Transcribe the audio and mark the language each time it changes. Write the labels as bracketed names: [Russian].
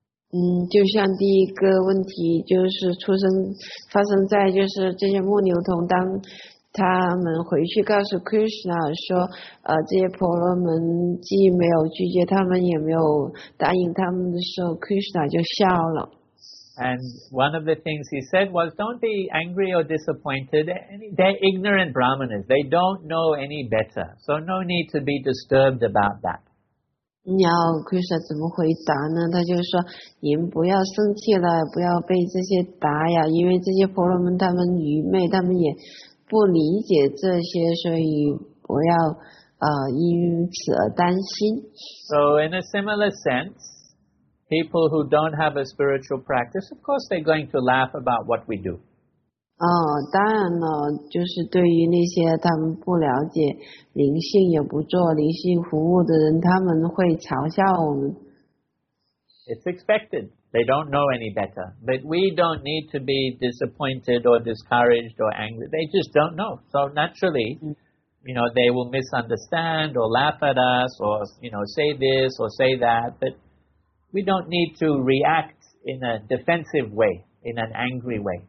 [Chinese] 就像第一个问题，就是发生在就是这些牧牛童，当他们回去告诉 Krishna 说，这些婆罗门既没有拒绝他们，也没有答应他们的时候， Krishna 就笑了。 [English] And one of the things he said was, "Don't be angry or disappointed. They're ignorant brahmanas. They don't know any better. So no need to be disturbed about that." [Chinese] 你要 Krishna 怎么回答呢？他就说：“你们不要生气了，不要被这些打呀，因为这些婆罗门他们愚昧，他们也不理解这些，所以不要因此而担心。” [English] So in a similar sense, people who don't have a spiritual practice, of course, they're going to laugh about what we do. [Chinese] 当然了，就是对于那些他们不了解灵性也不做灵性服务的人，他们会嘲笑我们。 [English] It's expected. They don't know any better. But we don't need to be disappointed or discouraged or angry. They just don't know. So naturally, you know, they will misunderstand or laugh at us or, you know, say this or say that. But we don't need to react in a defensive way, in an angry way.